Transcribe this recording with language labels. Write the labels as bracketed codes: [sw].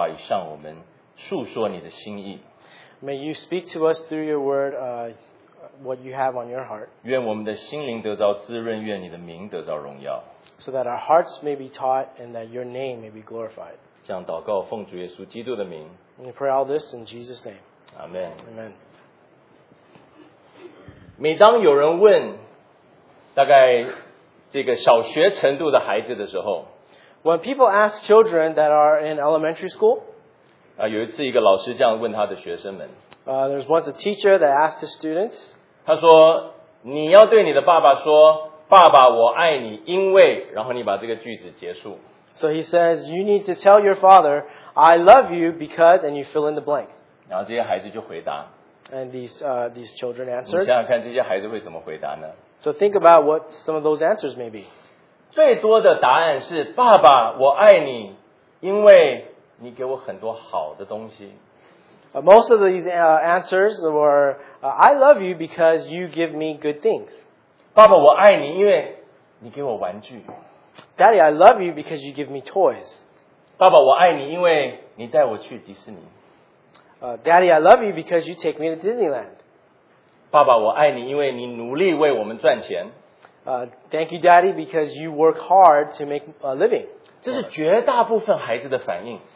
[zh] 今天早晨，求主你借着你自己的话语向我们述说你的心意。 [en] May you speak to us through your word what you have on your heart. [zh] 愿我们的心灵得到滋润，愿你的名得到荣耀。 [en] So that our hearts may be taught and that your name may be glorified. [zh] 这样祷告，奉主耶稣基督的名。 [en] We pray all this in Jesus' name. Amen. Amen. [zh] 每当有人问 大概这个小学程度的孩子的时候, [en] When people ask children that are in elementary school, [zh] 有一次一个老师这样问他的学生们, [en] there's once a teacher that asked his students, [zh] 他说, 你要对你的爸爸说, 爸爸我爱你, 因为, 然后你把这个句子结束。 [en] So he says, you need to tell your father, I love you because, and you fill in the blank. [zh] 然后这些孩子就回答, [en] And these children answered. [zh] 你想想看这些孩子会怎么回答呢? [en] So think about what some of those answers may be. [zh] 最多的答案是, 爸爸,我爱你, 因为你给我很多好的东西。 [en] Most of these answers were, I love you because you give me good things. [zh] 爸爸,我爱你,因为你给我玩具。 [en] Daddy, I love you because you give me toys. [zh] 爸爸,我爱你,因为你带我去迪士尼。 [en] Daddy, I love you because you take me to Disneyland. [zh] 爸爸,我爱你,因为你努力为我们赚钱。 [en] Thank you, Daddy, because you work hard to make a living. [zh] 这是绝大部分孩子的反应。